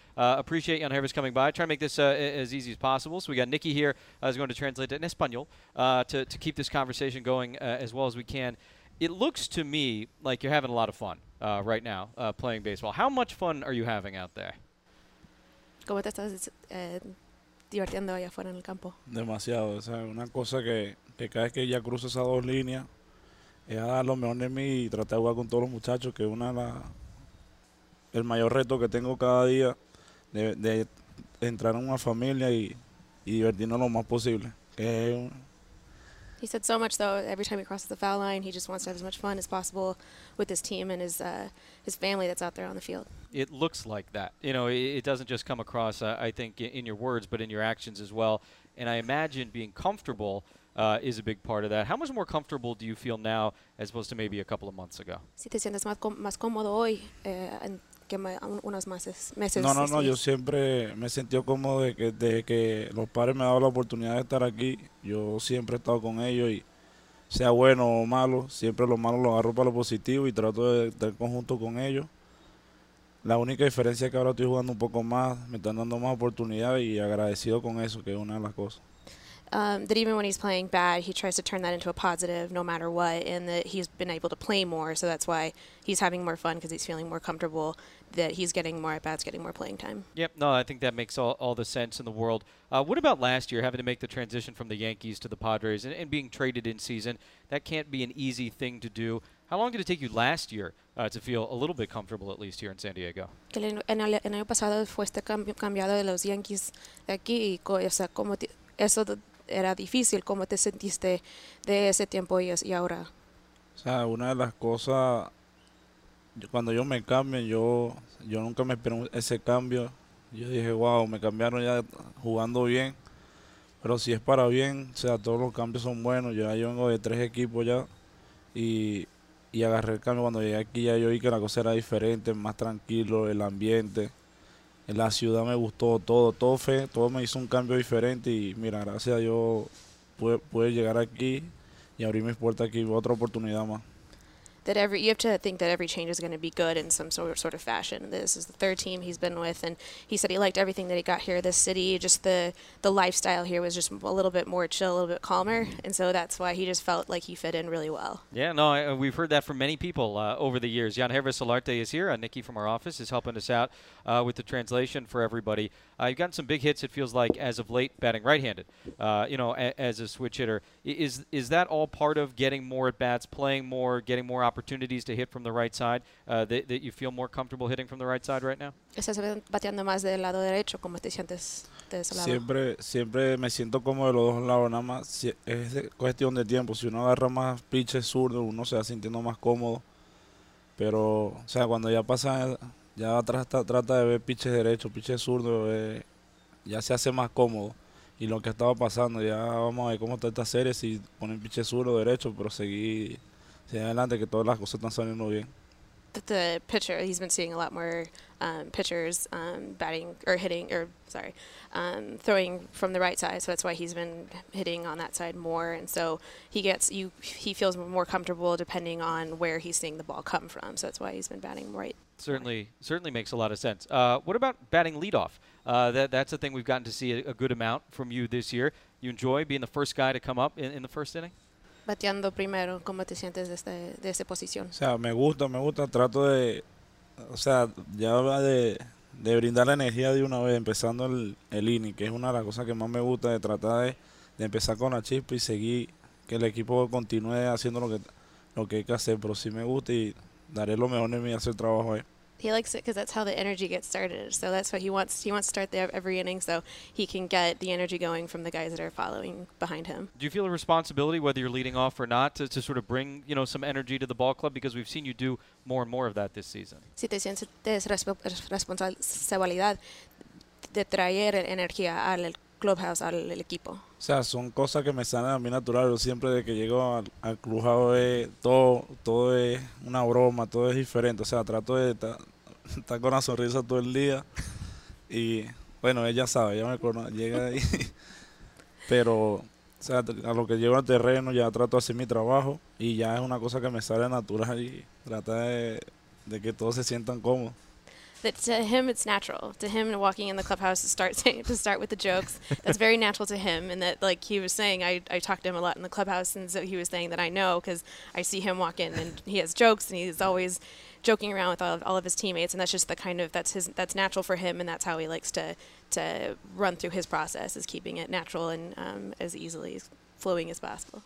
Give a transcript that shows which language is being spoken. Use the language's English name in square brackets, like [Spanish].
[English] Appreciate Yanher coming by. Try to make this as easy as possible. So we got Nikki here. I was going to translate it in Espanol to keep this conversation going as well as we can. It looks to me like you're having a lot of fun right now playing baseball. How much fun are you having out there? [Spanish] ¿Cómo te estás divirtiendo allá afuera en el campo? Demasiado. O sea, una cosa que cada vez que ya cruzo esas dos líneas, es a dar lo mejor de mí y tratar de jugar con todos los muchachos, que es el mayor reto que tengo cada día de entrar en una familia y divertirnos lo más posible. [English] He said so much, though, every time he crosses the foul line, he just wants to have as much fun as possible with his team and his family that's out there on the field. It looks like that. You know, it doesn't just come across, I think, in your words, but in your actions as well. And I imagine being comfortable is a big part of that. How much more comfortable do you feel now as opposed to maybe a couple of months ago? [Spanish] Si te sientes más cómodo hoy que unos meses. No. Yo siempre me he sentido cómodo desde que los padres me han dado la oportunidad de estar aquí. Yo siempre he estado con ellos y sea bueno o malo, siempre lo malo lo agarro para lo positivo y trato de estar conjunto con ellos. La única diferencia es que ahora estoy jugando un poco más, me están dando más oportunidades y agradecido con eso, que es una de las cosas. [English] That even when he's playing bad, he tries to turn that into a positive no matter what, and that he's been able to play more, so that's why he's having more fun, because he's feeling more comfortable that he's getting more at-bats, getting more playing time. Yep, no, I think that makes all the sense in the world. What about last year, having to make the transition from the Yankees to the Padres and being traded in season? That can't be an easy thing to do. How long did it take you last year to feel a little bit comfortable, at least here in San Diego? [Spanish] En el año pasado fuiste cambiado de los Yankees de aquí, como eso era difícil, ¿cómo te sentiste de ese tiempo y ahora? O sea, una de las cosas, cuando yo me cambio, yo nunca me esperé ese cambio. Yo dije, wow, me cambiaron ya jugando bien. Pero si es para bien, o sea, todos los cambios son buenos. Yo vengo de tres equipos ya y agarré el cambio. Cuando llegué aquí ya yo vi que la cosa era diferente, más tranquilo, el ambiente. En la ciudad me gustó todo, todo me hizo un cambio diferente y mira, gracias a Dios pude llegar aquí y abrir mis puertas aquí, otra oportunidad más. [English] That every you have to think that every change is going to be good in some sort of fashion. This is the third team he's been with, and he said he liked everything that he got here, this city, just the lifestyle here was just a little bit more chill, a little bit calmer, and so that's why he just felt like he fit in really well. Yeah, no, we've heard that from many people over the years. Yanher Solarte is here. Nikki from our office is helping us out with the translation for everybody. You've gotten some big hits, it feels like, as of late, batting right-handed, as a switch hitter. Is that all part of getting more at-bats, playing more, getting more opportunities to hit from the right side, that you feel more comfortable hitting from the right side right now? [Spanish] ¿Estás bateando más del lado derecho? ¿Cómo te sientes de ese lado? Siempre me siento como de los dos lados, nada más. Si es cuestión de tiempo. Si uno agarra más pitches zurdo, uno se va sintiendo más cómodo. Pero, o sea, cuando ya pasa... Ya trata de ver pitches derecho, pitches zurdo, ya se hace más cómodo. Y lo que estaba pasando, ya vamos a ver cómo está esta serie, si ponen pitches zurdo derecho, pero seguir adelante, que todas las cosas están saliendo bien. [English] The pitcher, he's been seeing a lot more pitchers throwing from the right side, so that's why he's been hitting on that side more, and so he feels more comfortable depending on where he's seeing the ball come from, so that's why he's been batting right. Certainly makes a lot of sense. What about batting leadoff? That's a thing we've gotten to see a good amount from you this year. You enjoy being the first guy to come up in the first inning? [Spanish] Bateando primero, ¿cómo te sientes de esa posición? O sea, me gusta, trato de, o sea, ya va de brindar la energía de una vez, empezando el inning, que es una de las cosas que más me gusta, de tratar de empezar con la chispa y seguir, que el equipo continúe haciendo lo que hay que hacer, pero sí me gusta y daré lo mejor de mí hacer trabajo ahí. [English] He likes it because that's how the energy gets started. So that's what he wants. He wants to start every inning so he can get the energy going from the guys that are following behind him. Do you feel a responsibility, whether you're leading off or not, to sort of bring, you know, some energy to the ball club? Because we've seen you do more and more of that this season. [Spanish] Si te sientes responsabilidad de traer energía al clubhouse, al el equipo. O sea, son cosas que me salen a mí natural. Yo siempre de que llego al clubhouse, todo es una broma, todo es diferente. O sea, trato de estar con la sonrisa todo el día. Y bueno, ella sabe, ella me conoce, llega ahí. Pero, o sea, a lo que llego al terreno, ya trato de hacer mi trabajo. Y ya es una cosa que me sale natural y trata de que todos se sientan cómodos. [English] That to him it's natural. To him walking in the clubhouse to start with the jokes. That's very natural to him. And that, like he was saying, I talked to him a lot in the clubhouse, and so he was saying that I know because I see him walk in and he has jokes and he's always joking around with all of his teammates. And that's just that's natural for him. And that's how he likes to run through his process, is keeping it natural and as easily flowing as possible.